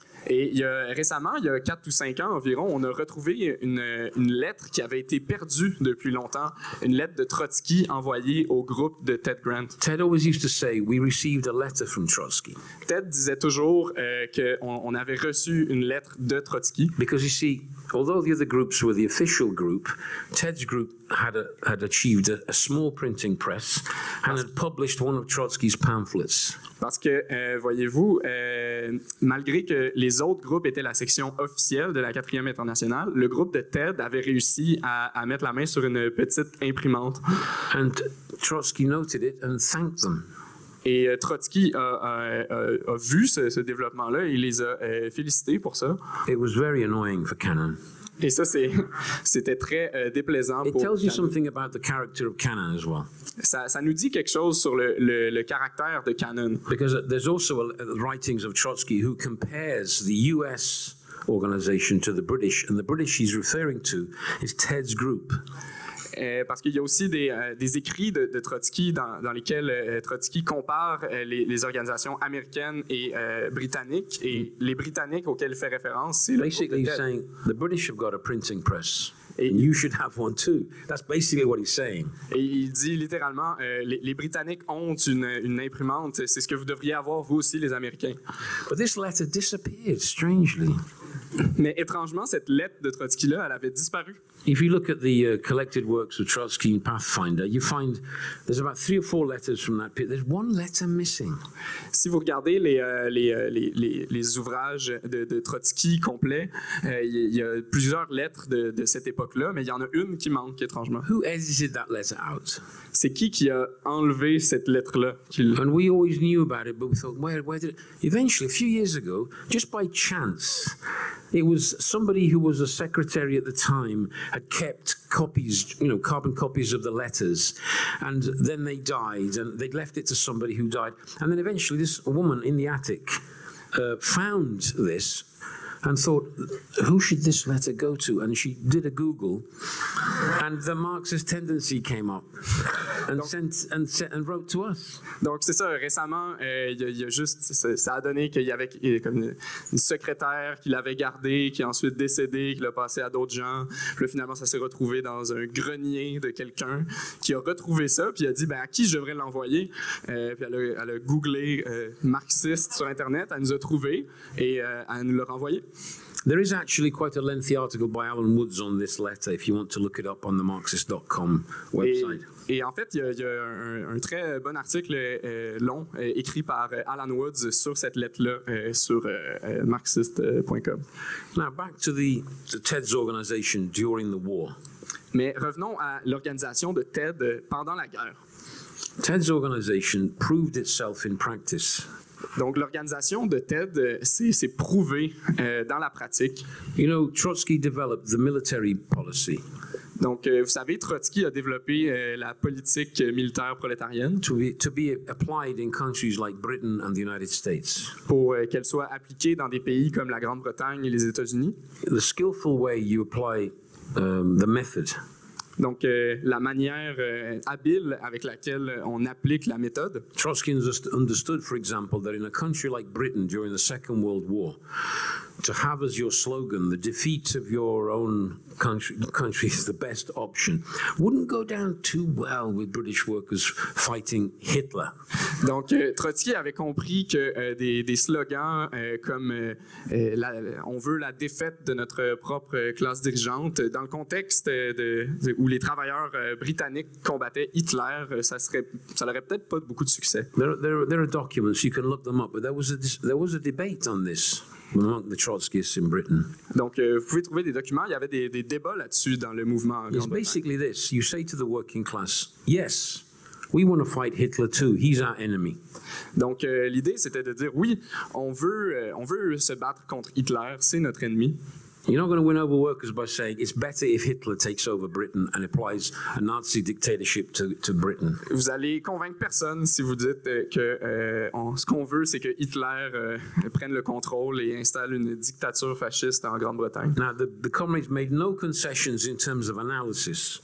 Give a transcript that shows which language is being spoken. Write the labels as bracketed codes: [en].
[fr] Et il y a 4 ou 5 ans environ, on a retrouvé une lettre qui avait été perdue depuis longtemps, une lettre de Trotsky envoyée au groupe de Ted Grant. [en] Ted always used to say, we received a letter from Trotsky. [fr] Ted disait toujours qu'on avait reçu une lettre de Trotsky. [en] Because you see, although the other groups were the official group, Ted's group had achieved a small printing press and had published one of Trotsky's pamphlets. [fr] Parce que, voyez-vous, malgré que les autres groupes étaient la section officielle de la 4e Internationale, le groupe de Ted avait réussi à mettre la main sur une petite imprimante. [en] And Trotsky noted it and thanked them. [fr] Et Trotsky a vu ce développement-là et les a félicités pour ça. [en] It was very annoying for Canon. [fr] Et ça, c'était très déplaisant pour Canon. [en] It tells you something about the character of Canon as well. [fr] Ça nous dit quelque chose sur le caractère de Canon. [en] Because there's also writings of Trotsky who compares the U.S. organization to the British, and the British he's referring to is Ted's group. [fr] Parce qu'il y a aussi des écrits de Trotsky dans lesquels Trotsky compare les organisations américaines et britanniques, et les Britanniques auxquels il fait référence, c'est [en] basically [fr] le [en] saying the British have got a printing press. And you should have one too. That's basically what he's saying. [fr] Et il dit littéralement, les Britanniques ont une imprimante. C'est ce que vous devriez avoir vous aussi, les Américains. [en] But this letter disappeared strangely. [fr] Mais étrangement, cette lettre de Trotsky là, elle avait disparu. [en] If you look at the collected works of Trotsky in Pathfinder, you find there's about 3 or 4 letters from that period. There's one letter missing. [fr] Si vous regardez les ouvrages de Trotsky complets, il y a plusieurs lettres de cette époque-là, mais il y en a une qui manque étrangement. [en] Who edited that letter out? [fr] C'est qui a enlevé cette lettre-là? [en] And we always knew about it, but we thought, where did it? Eventually, a few years ago, just by chance, it was somebody who was a secretary at the time had kept copies, you know, carbon copies of the letters, and then they died, and they'd left it to somebody who died, and then eventually this woman in the attic found this and thought, who should this letter go to? And she did a Google, and the Marxist tendency came up and sent and wrote to us. [fr] Donc c'est ça, récemment, ça a donné qu'il y avait comme une secrétaire qui l'avait gardée, qui est ensuite décédée, qui l'a passé à d'autres gens. Puis là, finalement, ça s'est retrouvé dans un grenier de quelqu'un qui a retrouvé ça, puis a dit, ben, à qui je devrais l'envoyer? Puis elle a googlé marxiste sur Internet, elle nous a trouvé et elle nous l'a renvoyé. [en] There is actually quite a lengthy article by Alan Woods on this letter, if you want to look it up on the marxist.com website. [fr] Et en fait, il y a un très bon article long écrit par Alan Woods sur cette lettre-là sur marxist.com. [en] Now, back to the TED's organization during the war. [fr] Mais revenons à l'organisation de TED pendant la guerre. [en] TED's organization proved itself in practice. [fr] Donc, l'organisation de TED s'est prouvée dans la pratique. [en] You know, Trotsky developed the military policy. [fr] Donc, vous savez, Trotsky a développé la politique militaire prolétarienne [en] to be applied in countries like Britain and the United States. [fr] Pour qu'elle soit appliquée dans des pays comme la Grande-Bretagne et les États-Unis. [en] The skillful way you apply the method. [fr] Donc, la manière habile avec laquelle on applique la méthode. [en] Trotsky understood, for example, that in a country like Britain during the Second World War, to have as your slogan the defeat of your own country is the best option, wouldn't go down too well with British workers fighting Hitler. [fr] Donc, Trotsky avait compris que des slogans comme on veut la défaite de notre propre classe dirigeante, dans le contexte de où les travailleurs britanniques combattaient Hitler, ça n'aurait peut-être pas beaucoup de succès. [en] There are documents, you can look them up, but there was a debate on this. Among the Trotskyists in Britain. [fr] Donc, vous pouvez trouver des documents. Il y avait des débats là-dessus dans le mouvement. [en] It's basically this: you say to the working class, "Yes, we want to fight Hitler too. He's our enemy." [fr] Donc, l'idée c'était de dire oui, on veut se battre contre Hitler. C'est notre ennemi. [en] You're not going to win over workers by saying it's better if Hitler takes over Britain and applies a Nazi dictatorship to Britain. [fr] Vous allez convaincre personne si vous dites que ce qu'on veut c'est que Hitler prenne le contrôle et installe une dictature fasciste en Grande-Bretagne. [en] Now the comrades made no concessions in terms of analysis.